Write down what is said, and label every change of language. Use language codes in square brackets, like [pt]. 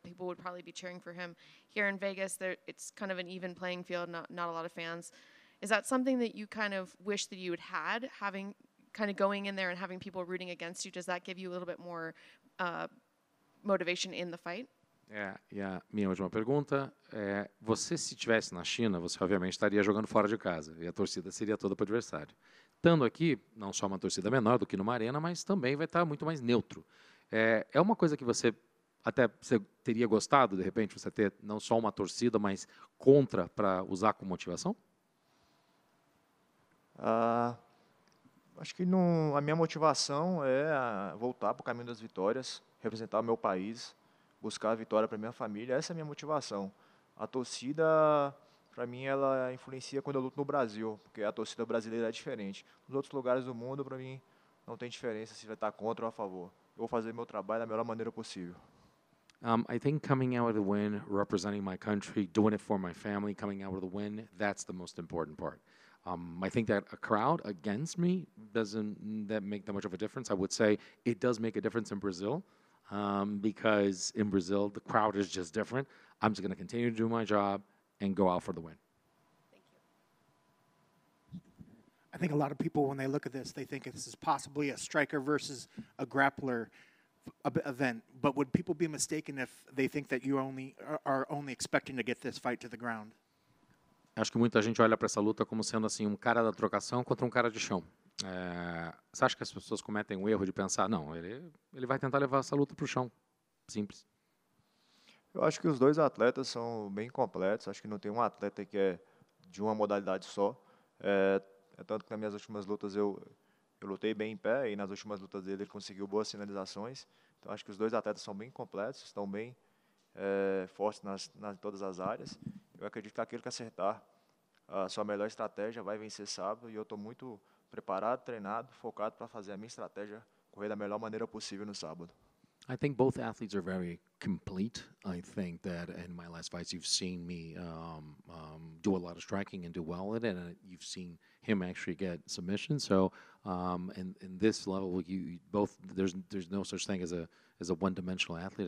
[en] People would probably be cheering for him. Here in Vegas, it's kind of an even playing field, not a lot of fans. Is that something that you kind of wish that you had had, having kind of going in there and having people rooting against you? Does that give you a little bit more motivation in the fight? [pt] Minha última pergunta é, você se tivesse na China, você obviamente estaria jogando fora de casa e a torcida seria toda para o adversário. Estando aqui, não só uma torcida menor do que numa arena, mas também vai estar muito mais neutro. É uma coisa que você até você teria gostado, de repente, você ter não só uma torcida, mas contra para usar como motivação? Acho que a minha motivação é voltar para o caminho das vitórias, representar o meu país, buscar a vitória para minha família. Essa é a minha motivação. A torcida Para mim, ela influencia quando eu luto no Brasil, porque a torcida brasileira é diferente. Nos outros lugares do mundo, para mim, não tem diferença se vai estar contra ou a favor. Eu vou fazer meu trabalho da melhor maneira possível. [en] I think coming out with a win, representing my country, doing it for my family, coming out with a win, that's the most important part. I think that a crowd against me doesn't that make that much of a difference. I would say it does make a difference in Brazil, because in Brazil, the crowd is just different. I'm just going to continue to do my job and go out for the win. Thank you. I think a lot of people, when they look at this, they think this is possibly a striker versus a grappler event. But would people be mistaken if they think that you only are only expecting to get this fight to the ground? [pt] Acho que muita gente olha para essa luta como sendo assim um cara da trocação contra um cara de chão. Você acha que as pessoas cometem o erro de pensar, não, ele vai tentar levar essa luta para o chão. Simples. Eu acho que os dois atletas são bem completos. Acho que não tem um atleta que é de uma modalidade só. É tanto que nas minhas últimas lutas eu lutei bem em pé e nas últimas lutas dele ele conseguiu boas sinalizações. Então acho que os dois atletas são bem completos, estão bem fortes nas todas as áreas. Eu acredito que aquele que acertar a sua melhor estratégia vai vencer sábado e eu estou muito preparado, treinado, focado para fazer a minha estratégia correr da melhor maneira possível no sábado. [en] I think both athletes are very complete. I think that in my last fights you've seen me do a lot of striking and do well at it, and you've seen him actually get submission. So in this level, you both there's no such thing as a one-dimensional athlete.